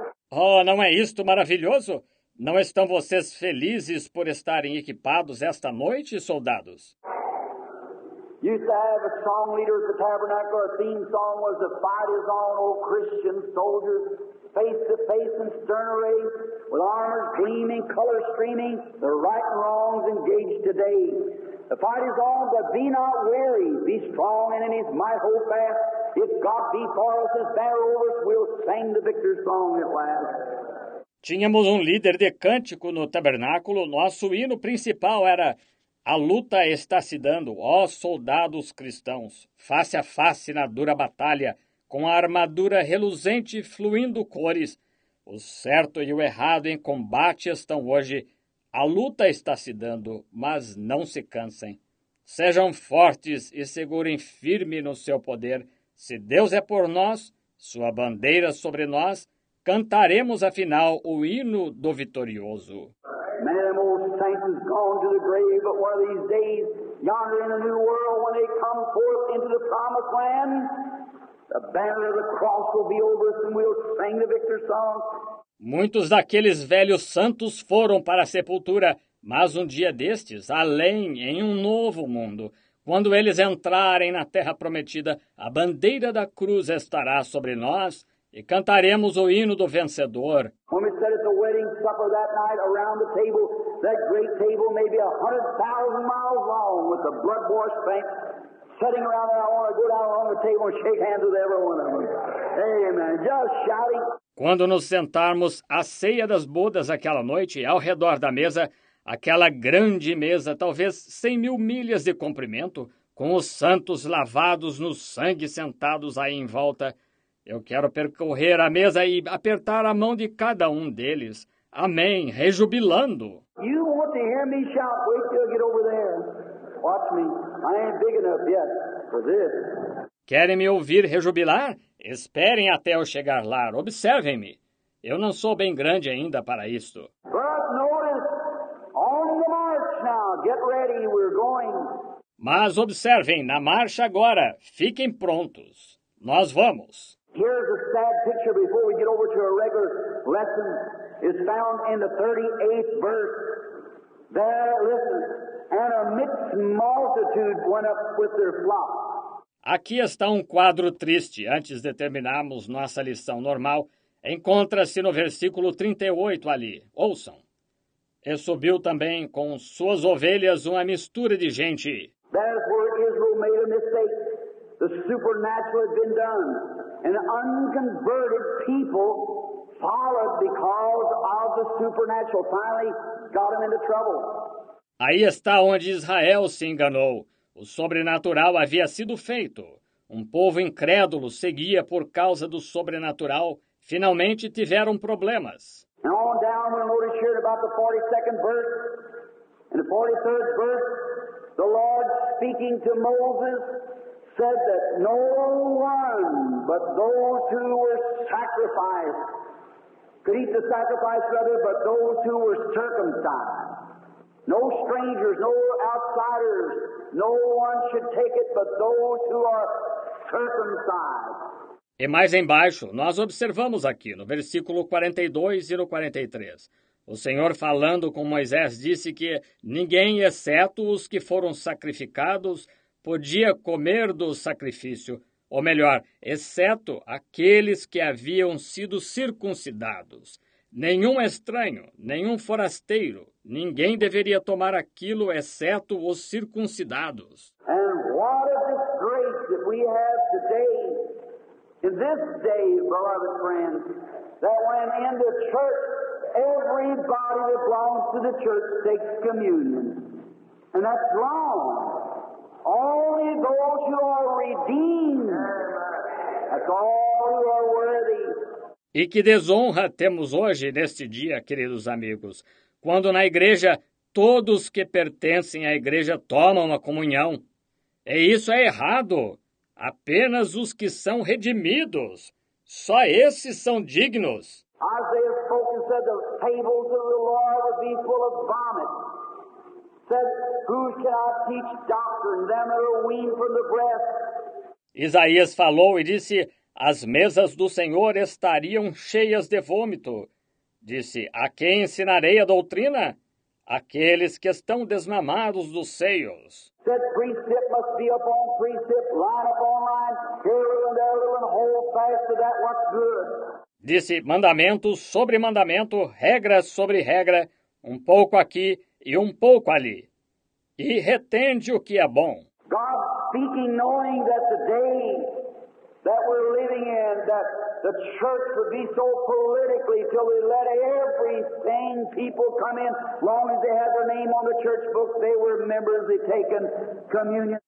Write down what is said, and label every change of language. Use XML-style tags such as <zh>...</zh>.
<pt>Oh, não é isto maravilhoso? Não estão vocês felizes por estarem equipados esta noite, soldados?</pt> <en>You have a song leader at the tabernacle. A theme song was "The Fight Is On, O Christian Soldiers." Face to face and stern array, with armor gleaming, color streaming, the right and wrongs engaged today. The fight is on, but be not weary. Be strong and in his might hold fast. If God be for us, his banner over us, we'll sing the victor's song at last.</en> <pt>Tínhamos líder de cântico no tabernáculo. Nosso hino principal era: a luta está se dando, ó soldados cristãos, face a face na dura batalha, com a armadura reluzente fluindo cores. O certo e o errado em combate estão hoje. A luta está se dando, mas não se cansem. Sejam fortes e segurem firme no seu poder. Se Deus é por nós, sua bandeira sobre nós, cantaremos afinal o hino do vitorioso.</pt> <en>Saints has gone to the grave, but one of these days, yonder in a new world, when they come forth into the promised land, the banner of the cross will be over us and we'll sing the victor's song.</en> <pt>Muitos daqueles velhos santos foram para a sepultura, mas dia destes, além, em novo mundo, quando eles entrarem na terra prometida, a bandeira da cruz estará sobre nós e cantaremos o hino do vencedor.</pt> <en>When we sat at the wedding supper that night around the table, that great table may be 100,000 miles long with the blood-washed banks sitting around there. I want to go down along the table and shake hands with every one of them. Amen. Just shouting.</en> <pt>Quando nos sentarmos à ceia das bodas aquela noite, ao redor da mesa, aquela grande mesa, talvez 100 mil milhas de comprimento, com os santos lavados no sangue sentados aí em volta, eu quero percorrer a mesa e apertar a mão de cada deles. Amém, rejubilando.</pt> <en>You want to hear me shout? Wait till I get over there. Watch me. I ain't big enough yet for this.</en> <pt>Querem me ouvir rejubilar? Esperem até eu chegar lá. Observem-me. Eu não sou bem grande ainda para isto.</pt> <en>But notice, on the march now. Get ready, we're going.</en> <pt>Mas observem, na marcha agora. Fiquem prontos. Nós vamos.</pt> <en>Here's a sad picture before we get over to a regular lesson. It's found in the 38th verse. There, listen. And a mixed multitude went up with their flock.</en> <pt>Aqui está quadro triste. Antes de terminarmos nossa lição normal, encontra-se no versículo 38 ali. Ouçam. E subiu também com suas ovelhas uma mistura de gente.</pt> <en>That's where Israel made a mistake. The supernatural had been done. An unconverted people followed because of the supernatural. Finally got him into trouble.</en> <pt>Aí está onde Israel se enganou. O sobrenatural havia sido feito. Povo incrédulo seguia por causa do sobrenatural. Finalmente tiveram problemas.</pt> <en>And on down we'll notice here about the 42nd verse. In the 43rd verse, the Lord speaking to Moses said that no one but those who were sacrificed could eat the sacrifice, rather, but those who were circumcised. No strangers, no outsiders, no one should take it but those who are circumcised.</en> <pt>E mais embaixo, nós observamos aqui, no versículo 42 e no 43, o Senhor falando com Moisés disse que ninguém, exceto os que foram sacrificados, podia comer do sacrifício, ou melhor, exceto aqueles que haviam sido circuncidados. Nenhum estranho, nenhum forasteiro, ninguém deveria tomar aquilo exceto os circuncidados.</pt> <en>And what a disgrace that we have today, in this day, beloved friends, that when in the church everybody that belongs to the church takes communion. And that's wrong. Only those who are redeemed, that's all who are worthy.</en> <pt>E que desonra temos hoje neste dia, queridos amigos, quando na igreja todos que pertencem à igreja tomam a comunhão. E isso é errado. Apenas os que são redimidos, só esses são dignos.</pt> <en>Isaías spoken said the tables of the Lord would be full of vomit. Said, who can I teach doctrine, them that are weaned from the breast?</en> <pt>Isaías falou e disse: as mesas do Senhor estariam cheias de vômito. Disse, a quem ensinarei a doutrina? Aqueles que estão desmamados dos seios.</pt> <en>Said, precept must be upon precept, line upon line, here and there, and hold fast to that what's good.</en> <pt>Disse, mandamento sobre mandamento, regra sobre regra, um pouco aqui e um pouco ali. E retende o que é bom.</pt> <en>God speaking, knowing that the day that we're living in, that the church would be so politically till we let everything people come in, long as they had their name on the church book, they were members, they taken communion.</en>